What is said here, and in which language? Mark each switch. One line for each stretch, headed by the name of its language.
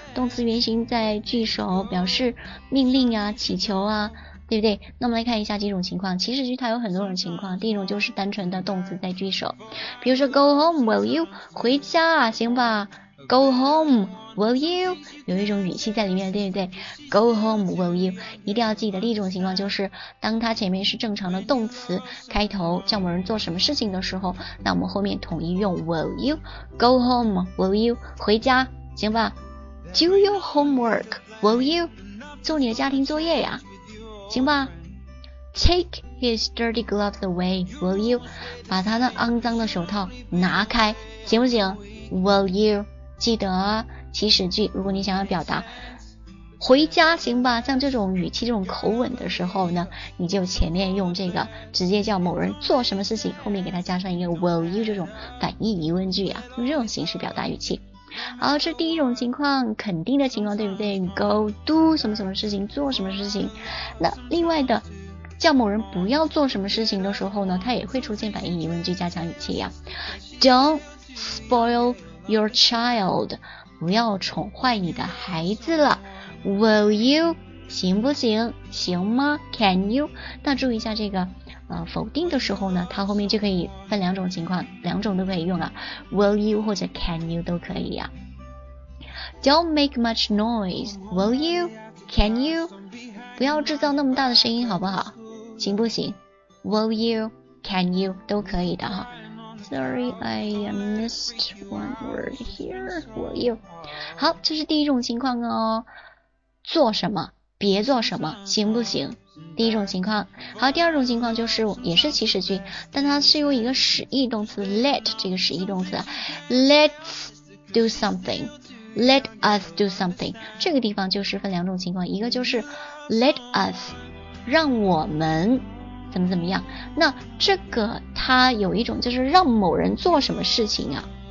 Chinese: 动词原形在句首，表示命令啊，祈求啊，对不对？那我们来看一下几种情况，祈使句它有很多种情况。第一种就是单纯的动词在句首，比如说 go home will you，回家啊，行吧， go home will you， 有一种语气在里面，对不对？ go home will you，一定要记得。另一种情况就是当它前面是正常的动词开头，叫某人做什么事情的时候，那我们后面统一用 will you， go home will you，回家行吧， do your homework will you，做你的家庭作业呀，行吧， take his dirty gloves away will you，把他的肮脏的手套拿开，行不行？ will you， 记得祈使句，如果你想要表达回家行吧，像这种语气这种口吻的时候呢，你就前面用这个直接叫某人做什么事情，后面给他加上一个 will you， 这种反义疑问句啊，用这种形式表达语气。好，这第一种情况，肯定的情况，对不对？go do 什么什么事情，做什么事情。那另外的叫某人不要做什么事情的时候呢，他也会出现反应疑问句加强语气呀。 don't spoil your child，不要宠坏你的孩子了， will you，行不行，行吗， can you。那注意一下这个否定的时候呢，它后面就可以分两种情况，两种都可以用了， will you 或者 can you 都可以啊。 Don't make much noise will you can you，不要制造那么大的声音好不好，行不行， will you can you 都可以的哈。
English: Sorry I missed one word here will you。
Chinese: 好，这是第一种情况哦，做什么别做什么行不行，第一种情况。好，第二种情况就是也是祈使句，但它是用一个使役动词 let， 这个使役动词 let's do something， let us do something，这个地方就是分两种情况，一个就是 let us， 让我们怎么怎么样，那这个它有一种就是让某人做什么事情啊，